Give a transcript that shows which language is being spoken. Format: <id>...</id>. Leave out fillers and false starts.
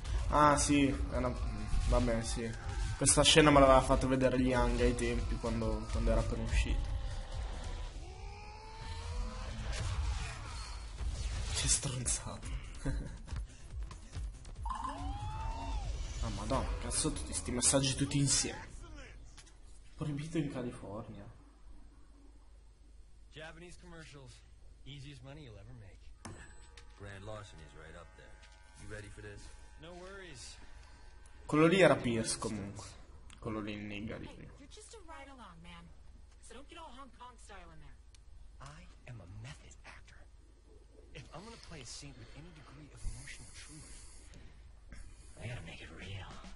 <it>Ah sì, va bene, sì. Questa scena me l'aveva fatto vedere gli Young ai tempi, quando era appena uscito. Che stronzato. Ah, madonna, cazzo, tutti sti messaggi tutti insieme. Proibito in California.</it> <en>Japanese commercials, easiest money you'll ever make. Grand larceny is right up there. You ready for this? No worries.</en> <it>Quello lì era Pierce comunque. Quello lì in nigga di prima.</it> <en>You're just a ride along, man. So don't get all Hong Kong style in there. I am a method actor. If I'm gonna play a scene with any degree of emotional truth, I gotta make it real.</en>